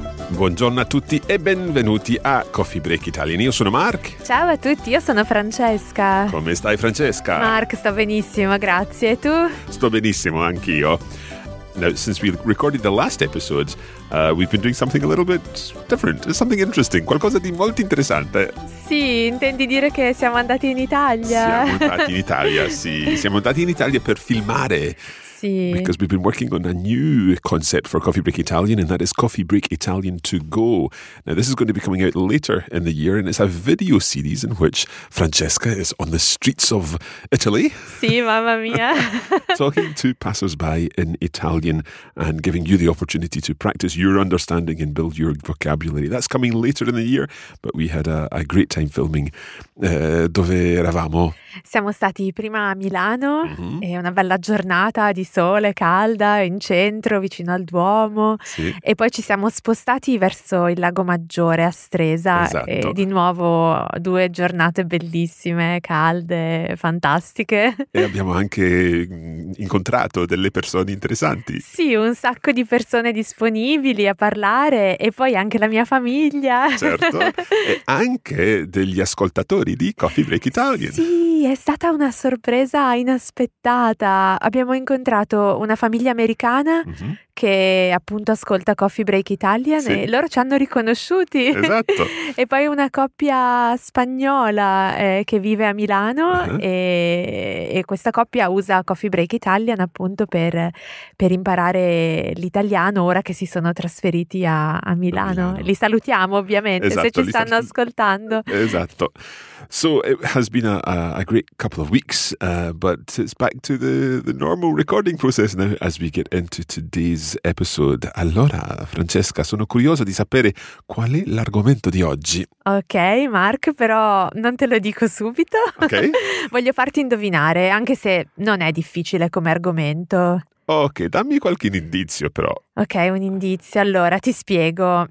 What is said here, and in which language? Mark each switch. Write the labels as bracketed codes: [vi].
[it] Buongiorno a tutti e benvenuti a Coffee Break Italian. Io sono Mark. Ciao a tutti, io sono Francesca. Come stai, Francesca? Mark, sto benissimo, grazie. E tu? Sto benissimo, anch'io. [en] Now, since we recorded the last episode, we've been doing something a little bit different, something interesting, [it] qualcosa di molto interessante. Sì, intendi dire che siamo andati in Italia? Siamo andati in Italia, sì. Siamo andati in Italia per filmare. [en] Because we've been working on a new concept for Coffee Break Italian, and that is Coffee Break Italian To Go. Now, this is going to be coming out later in the year, and it's a video series in which Francesca is on the streets of Italy. [it] Sì, mamma mia. [en] Talking to passers-by in Italian and giving you the opportunity to practice your understanding and build your vocabulary. That's coming later in the year, but we had a great time filming. [it] Dove eravamo? Siamo stati prima a Milano, mm-hmm. E una bella giornata di sole, calda, in centro, vicino al Duomo. Sì. E poi ci siamo spostati verso il Lago Maggiore a Stresa. Esatto. E di nuovo due giornate bellissime, calde, fantastiche. E abbiamo anche incontrato delle persone interessanti. Sì, un sacco di persone disponibili a parlare e poi anche la mia famiglia. Certo, e anche degli ascoltatori di Coffee Break Italian. Sì, è stata una sorpresa inaspettata. Abbiamo incontrato una famiglia americana, mm-hmm. che appunto ascolta Coffee Break Italian. Sì. E loro ci hanno riconosciuti. Esatto. E poi una coppia spagnola che vive a Milano, uh-huh. e questa coppia usa Coffee Break Italian appunto per imparare l'italiano ora che si sono trasferiti a Milano. Li salutiamo ovviamente. Esatto, se ci stanno ascoltando. Esatto. [en] So it has been a great couple of weeks, but it's back to the normal recording process now as we get into today. Episode. [it] Allora, Francesca, sono curiosa di sapere qual è l'argomento di oggi. Ok, Mark, però non te lo dico subito. [en] Okay. [it] Voglio farti indovinare, anche se non è difficile come argomento. Ok, dammi qualche indizio però. Ok, un indizio. Allora, ti spiego.